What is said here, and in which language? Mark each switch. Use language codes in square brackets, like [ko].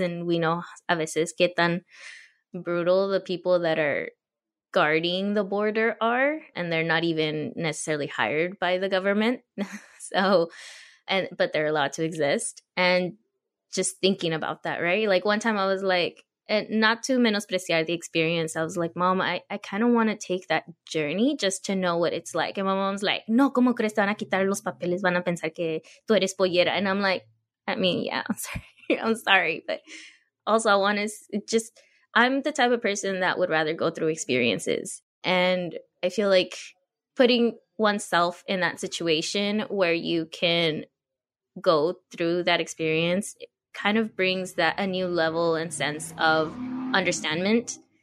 [en] And we know [es] a veces que tan brutal [en] the people that are guarding the border are, and they're not even necessarily hired by the government. So, and but they're allowed to exist. And just thinking about that, right? Like one time I was like, and not to menospreciar the experience, I was like, Mom, I kind of want to take that journey just to know what it's like. And my mom's like, no, [es] ¿cómo crees te van a quitar los papeles? Van a pensar que tú eres pollera. [en] And I'm like, I mean, yeah, I'm sorry. But also I want to just, I'm the type of person that would rather go through experiences. And I feel like putting oneself in that situation where you can go through that experience kind of brings that a new level and sense of understandment.